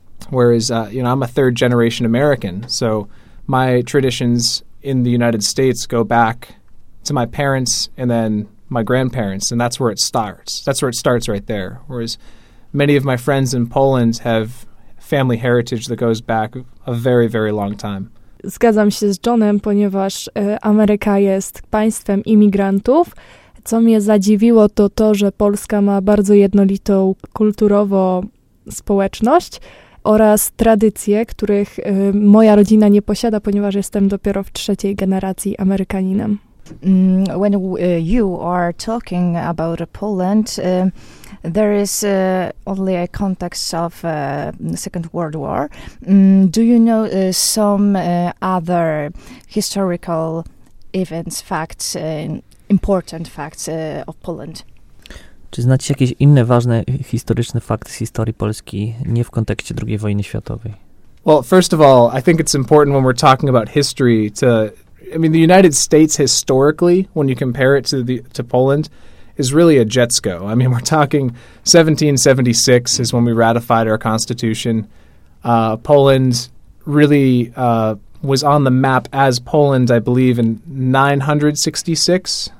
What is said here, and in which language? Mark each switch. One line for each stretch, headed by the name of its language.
English: Whereas, I'm a third generation American, so my traditions in the United States go back to my parents and then my grandparents, and that's where it starts. That's where it starts right there. Whereas many of my friends in Poland have family heritage that goes back a very, very long time.
Polish: Zgadzam się z Johnem, ponieważ Ameryka jest państwem imigrantów. Co mnie zadziwiło, to to, że Polska ma bardzo jednolitą kulturowo społeczność oraz tradycje, których moja rodzina nie posiada, ponieważ jestem dopiero w trzeciej generacji Amerykaninem.
English: When you are talking about Poland, there is only a context of the Second World War. Do you know some other historical events, facts, important facts of Poland?
Polish: Czy znacie jakieś inne ważne historyczne fakty z historii Polski nie w kontekście II wojny światowej?
English: Well, first of all, I think it's important when we're talking about history to... I mean, the United States historically, when you compare it to Poland, is really a Jetsko. I mean, we're talking 1776 is when we ratified our constitution. Poland really was on the map as Poland, I believe, in 966.